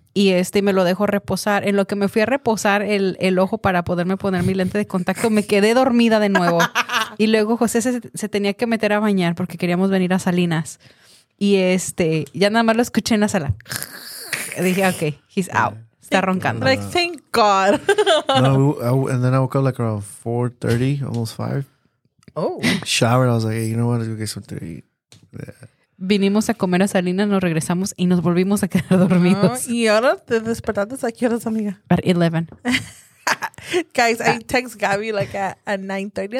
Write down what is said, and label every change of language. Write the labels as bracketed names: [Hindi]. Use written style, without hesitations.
[Spanish] Y me lo dejo reposar. En lo que me fui a reposar el ojo para poderme poner mi lente de contacto, me quedé dormida de nuevo. Y luego José se tenía que meter a bañar porque queríamos venir a Salinas. Y ya nada más lo escuché en la sala. Dije, [English] okay, he's out. [Spanish] Está roncando. [English] Like, thank God. No, and then I woke up like around 4:30, almost 5. Oh. Showered, I was like, hey, you know what, let's go get something to eat. Yeah. [Spanish] Vinimos a comer a Salinas, nos regresamos y nos volvimos a quedar dormidos. Y ahora te despertaste, ¿a qué horas, amiga? [English] At 11. Guys, I text Gabby like at 9:30.